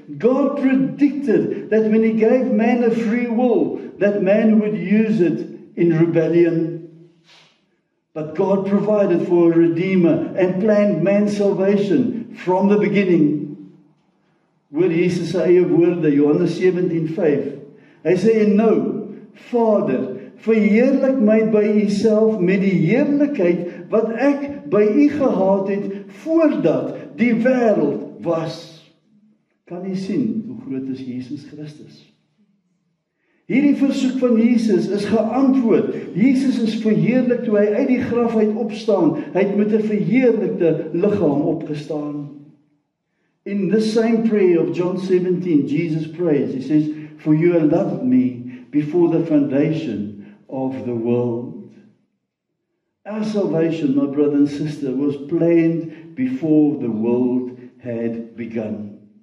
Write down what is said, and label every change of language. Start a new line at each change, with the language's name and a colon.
English: God predicted that when he gave man a free will, that man would use it in rebellion. But God provided for a redeemer and planned man's salvation from the beginning.
Afrikaans: Hoor Jesus se eie woorde, Johannes 17:5. Hy sê, en nou, Vader, verheerlik my by u self met die heerlikheid wat ek by u gehad het voordat die wêreld was. Kan jy sien hoe groot is Jesus Christus? Hierdie versoek van Jesus is geantwoord. Jesus is verheerlik toe hy uit die graf uit opstaan. Hy het met 'n verheerlikte liggaam opgestaan.
English: In the same prayer of John 17, Jesus prays. He says, for you loved me before the foundation of the world. Our salvation, my brother and sister, was planned before the world had begun.